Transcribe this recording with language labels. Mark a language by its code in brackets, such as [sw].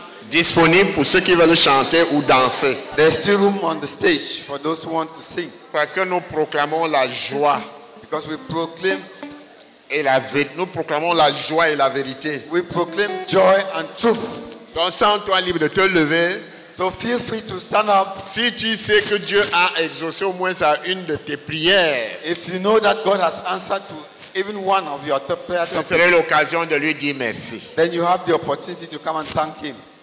[fr] disponible pour ceux qui veulent chanter ou danser. [en] There's still room on the stage for those who want to sing. [fr] Parce que nous proclamons la joie. [en] Because we proclaim [fr] et la vérité. Nous proclamons la joie et la vérité. [en] We proclaim joy and truth. [fr] Donc sens-toi libre de te lever. [en] So feel free to stand up. [fr] Si tu sais que Dieu a exaucé au moins à une de tes prières, [en] if you know that God has answered to even one of your prayers, [fr] ce serait l'occasion de lui dire merci. [en] Then you have the opportunity to come and thank him.